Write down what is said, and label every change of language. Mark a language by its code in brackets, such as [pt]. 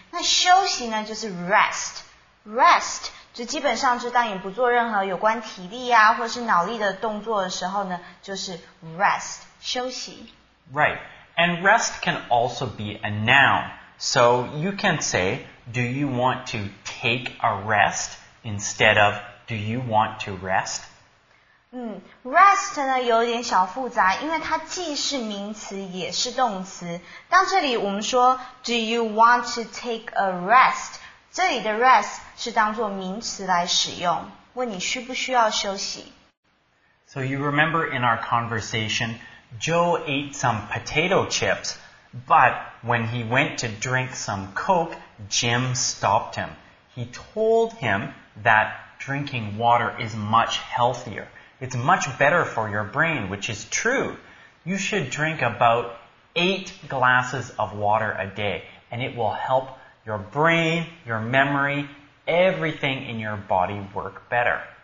[zh] 那休息呢就是 rest， rest 就基本上就当你不做任何有关体力啊或是脑力的动作的时候呢，就是 rest 休息。 [en] Right, and rest can also be a noun. So you can say, "Do you want to take a rest?" instead of Do you want to rest? [zh] Rest 呢有点小复杂，因为它既是名词也是动词。到这里我们说 [en] Do you want to take a rest? [zh] 这里的 rest 是当作名词来使用，问你需不需要休息。 [en] So you remember in our conversation, Joe ate some potato chips, but when he went to drink some Coke, Jim stopped him. He told him thatDrinking water is much healthier. It's much better for your brain, which is true. You should drink about 8 glasses of water a day, and it will help your brain, your memory, everything in your body work better.